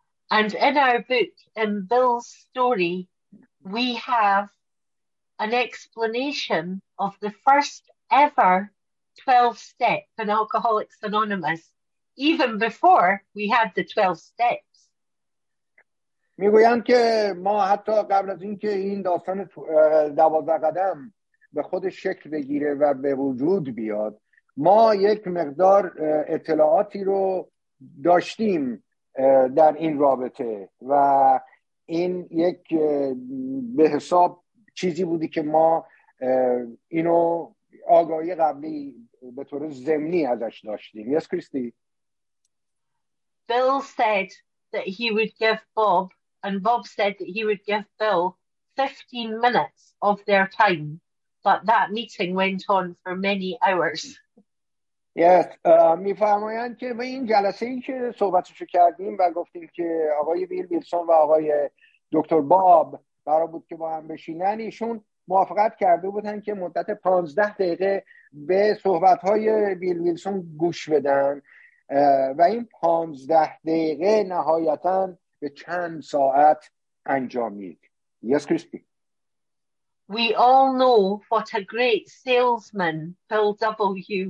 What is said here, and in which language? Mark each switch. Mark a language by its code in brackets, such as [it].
[en] And in our book, in Bill's story, we have an explanation of the first ever 12 step in Alcoholics Anonymous, even before we had the 12 steps. [fa] میگویند که ما حتی قبل از اینکه این داستان 12 قدم به خودش شکل بگیره و به وجود بیاد، ما یک مقدار اطلاعاتی رو داشتیم در این رابطه و این یک به حساب چیزی بودی که ما اینو آگاهی قبلی به طور ضمنی ازش داشتیم. [en] Yes Christy? Bill said that he would give Bob and Bob said that he would give Bill 15 minutes of their time, but that meeting went on for many hours. [fa] Yes, می فرمایند که به این جلسه این که صحبتشو کردیم و گفتیم که آقای بیل ویلسون و آقای دکتر باب قرار بود که با هم بشینن، ایشون موافقت کرده بودن که مدت 15 دقیقه به صحبت‌های بیل ویلسون گوش بدن و این 15 دقیقه نهایتاً به چند ساعت انجامید. [en] Yes, Crispy. We all know what a great salesman Bill W.